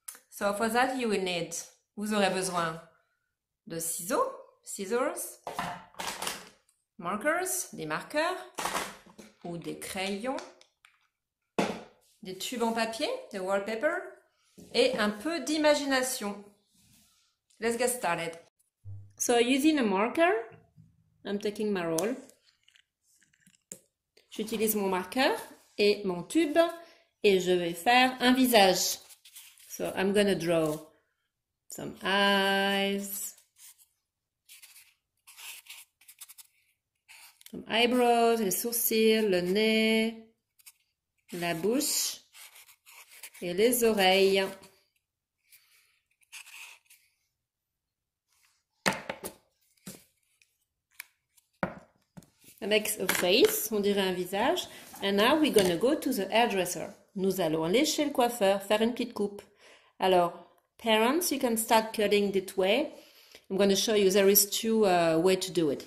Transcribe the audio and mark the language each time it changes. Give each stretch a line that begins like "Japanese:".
English: So for that you will need,
French: vous aurez besoin de ciseaux,
English: scissors, markers,
French: des marqueurs ou des crayons, des tubes en papier, des wallpaper et un peu d'imagination.
English: Let's get started. So using a marker, I'm taking my roll.
French: J'utilise mon marqueur et mon tube et je vais faire un visage.
English: So I'm gonna draw some eyes, some eyebrows,
French: les sourcils, le nez, la bouche et les oreilles.
English: It makes a face,
French: on dirait un visage.
English: And now we're gonna go to the hairdresser.
French: Nous allons aller chez le coiffeur, faire une petite coupe. Alors, parents,
English: you can start cutting this way. I'm gonna show you there is two ways to do it.